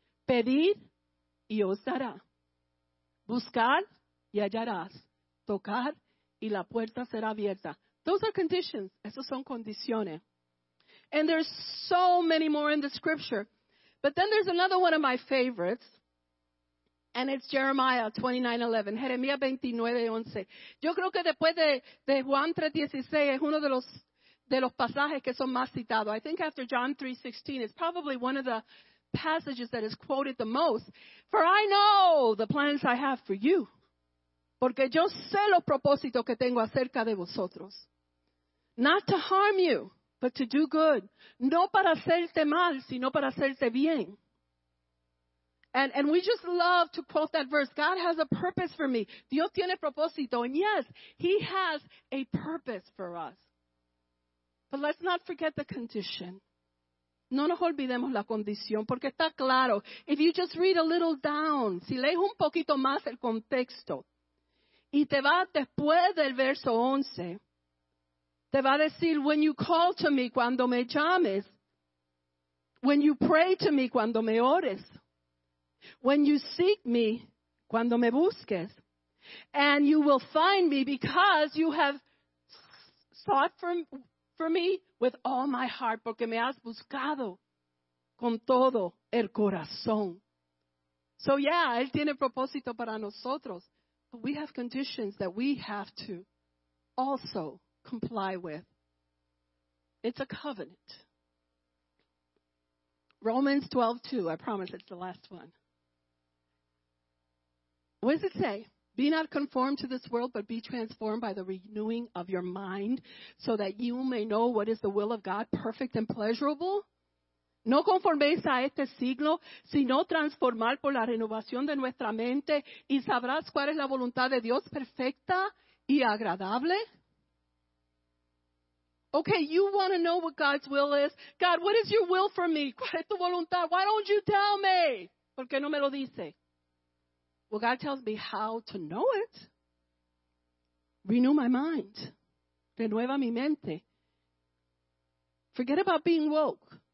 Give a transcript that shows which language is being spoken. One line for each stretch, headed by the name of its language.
Spanish: Pedir. Y os dará. Buscar. Y hallarás. Tocar. Y la puerta será abierta.
English: Those are conditions.
Spanish: Esos son condiciones.
English: And there's so many more in the scripture. But then there's another one of my favorites, and it's Jeremiah 29:11, Jeremiah 29:11.
Spanish: Yo creo que después de Juan 3:16 es uno de los pasajes que son más citados.
English: I think after John 3:16, it's probably one of the passages that is quoted the most. For I know the plans I have for you,
Spanish: porque yo sé los propósitos que tengo acerca de vosotros.
English: Not to harm you, but to do good,
Spanish: no para hacerte mal, sino para hacerte bien.
English: And we just love to quote that verse. God has a purpose for me.
Spanish: Dios tiene propósito.
English: And yes, he has a purpose for us. But let's not forget the condition.
Spanish: No nos olvidemos la condición, porque está claro.
English: If you just read a little down,
Spanish: si lees un poquito más el contexto, y te vas después del verso 11, te va a decir,
English: when you call to me,
Spanish: cuando me llames.
English: When you pray to me,
Spanish: cuando me ores.
English: When you seek me,
Spanish: cuando me busques.
English: And you will find me because you have sought for me with all my heart.
Spanish: Porque me has buscado con todo el corazón. So yeah, él tiene propósito para nosotros.
English: But we have conditions that we have to also comply with. It's a covenant. Romans 12:2. I promise it's the last one. What does it say? Be not conformed to this world, but be transformed by the renewing of your mind, so that you may know what is the will of God, perfect and pleasurable.
Spanish: No conforméis a este siglo, sino transformar por la renovación de nuestra mente, y sabrás cuál es la voluntad de Dios, perfecta y agradable.
English: Okay, you want to know what God's will is. God, what is your will for me?
Spanish: ¿Cuál es tu voluntad?
English: Why don't you tell me?
Spanish: ¿Por qué no me lo dice?
English: Well, God tells me how to know it. Renew my mind.
Spanish: Renueva mi mente.
English: Forget about being woke.